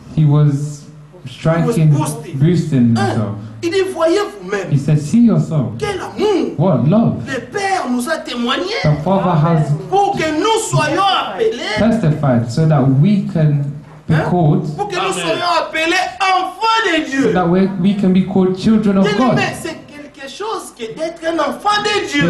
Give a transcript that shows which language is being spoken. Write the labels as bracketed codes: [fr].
[en] He was striking, boosting himself. [fr] Il dit, voyez-vous-même. [en] He said, see yourself. [fr] Quel amour. [en] What love. [fr] Le Père nous a témoigné. [en] The Father has [fr] pour que nous soyons appelés. [en] Testified so that we can be called. [fr] Pour que nous soyons appelés enfants de Dieu. [en] So that we can be called children of God. [fr] C'est quelque chose que d'être un enfant de Dieu.